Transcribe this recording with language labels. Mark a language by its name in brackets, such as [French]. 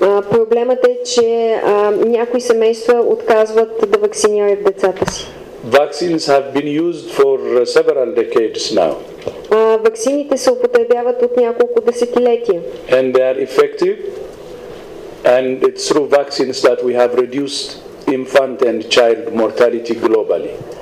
[Bulgarian] Проблемът е, че някои семейства отказват да вакцинират децата си. [English] Vaccines have been used for several decades now. [Bulgarian] Ваксините се употребяват от няколко десетилетия. [English] And they are effective. And it's through vaccines that we have reduced infant and child mortality globally.